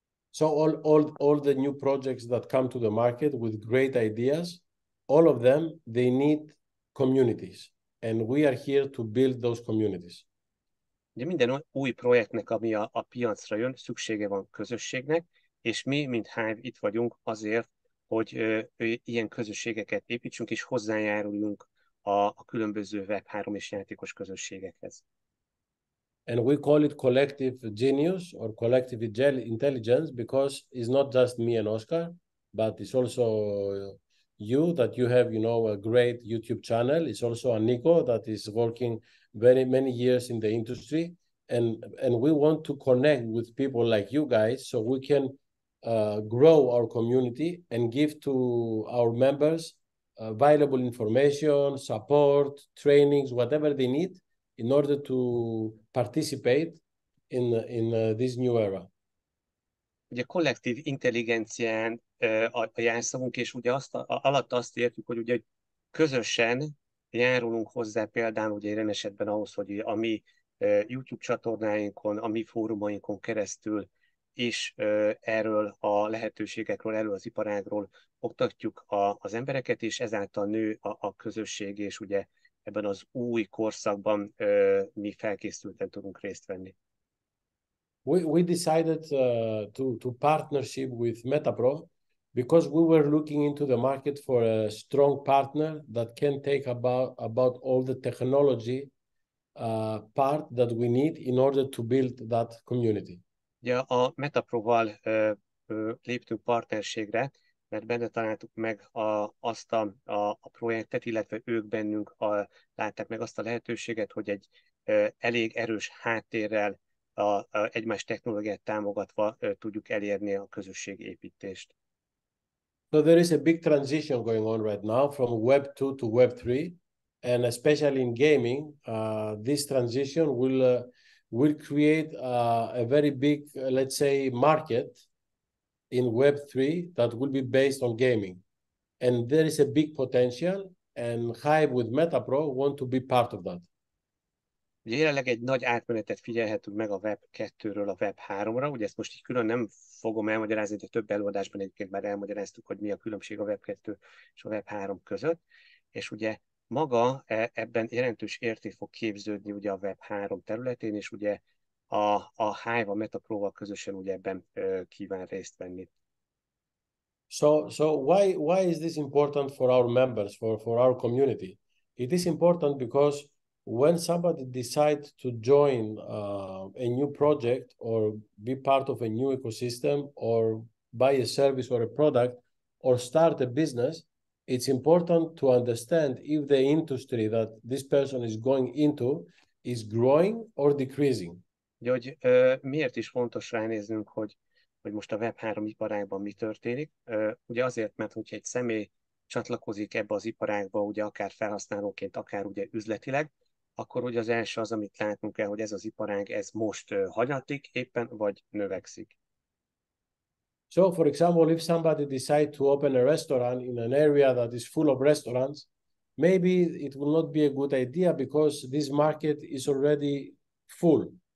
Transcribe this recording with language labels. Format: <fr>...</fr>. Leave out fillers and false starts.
<en>So all the new projects that come to the market with great ideas, all of them, they need communities. And we are here to build those communities.</en> <hu>De minden új projektnek, ami a piacra jön, szüksége van közösségnek, és mi, mint Hive, itt vagyunk azért, hogy ilyen közösségeket építsünk, és hozzájáruljunk a különböző Web3 és játékos közösségekhez.</hu> <en>And we call it collective genius or collective intelligence because it's not just me and Oscar, but it's also you that you have, a great YouTube channel. It's also Aniko that is working very many years in the industry. And we want to connect with people like you guys so we can grow our community and give to our members valuable information, support, trainings, whatever they need in order to participate in this new era.</en> <hu>Ugye kollektív intelligencián a jelszavunk, és ugye alatt azt értjük, hogy ugye közösen járulunk hozzá például ugye ilyen esetben ahhoz, hogy a mi YouTube csatornáinkon, a mi fórumainkon keresztül is erről a lehetőségekről, erről az iparágról oktatjuk az embereket, és ezáltal nő a közösség, és ugye ebben az új korszakban mi felkészülten tudunk részt venni.</hu> <en>We decided to partnership with MetaPro because we were looking into the market for a strong partner that can take about all the technology part that we need in order to build that community.</en> <hu>Yeah, a Metaproval léptünk partnerségre, mert benne találtuk meg azt a projektet, illetve ők bennünk látták meg azt a lehetőséget, hogy egy elég erős háttérrel egymás technológiát támogatva tudjuk elérni a közösség építést.</hu> <en>So there is a big transition going on right now from Web 2 to Web 3, and especially in gaming, this transition will create a very big, let's say, market in Web 3 that will be based on gaming. And there is a big potential, and Hive with MetaPro want to be part of that.</en> <hu>Jelenleg egy nagy átmenetet figyelhetünk meg a Web 2-ről a Web 3-ra, ugye ezt most így külön nem fogom elmagyarázni, de több előadásban egyébként már elmagyaráztuk, hogy mi a különbség a Web 2 és a Web 3 között, és ugye maga ebben jelentős érték fog képződni ugye a Web 3 területén, és ugye a Hive a MetaPro-val közösen ugye ebben kíván részt venni.</hu> <en>So why is this important for our members, for our community? It is important because when somebody decides to join a new project or be part of a new ecosystem or buy a service or a product or start a business, it's important to understand if the industry that this person is going into is growing or decreasing.</en> <hu>Hogy miért is fontos ránéznünk, hogy most a Web3 iparágban mi történik? Ugye azért, mert hogyha egy személy csatlakozik ebbe az iparágba, ugye akár felhasználóként, akár ugye üzletileg, akkor ugye az első az, amit látnunk kell, hogy ez az iparág, ez most hanyatlik éppen, vagy növekszik.</hu> <en>So, for example, if somebody decides to open a restaurant in an area that is full of restaurants, maybe it will not be a good idea because this market is already full.</en>